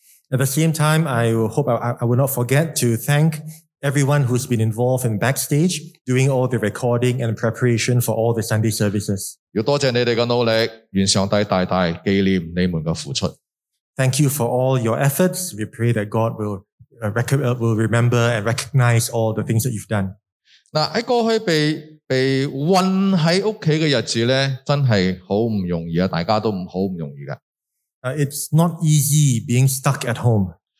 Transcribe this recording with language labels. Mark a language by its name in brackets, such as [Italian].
[English] At the same time, I hope I will not forget to thank everyone who's been involved in backstage doing all the recording and preparation for all the Sunday services. [Cantonese] 要多谢你哋嘅努力，愿上帝大大纪念你们嘅付出。 [English] Thank you for all your efforts. We pray that God will remember and recognize all the things that you've done. [Cantonese] 嗱，喺过去被困喺屋企嘅日子咧，真系好唔容易啊！大家都好唔容易嘅。 [English] It's not easy being stuck at home.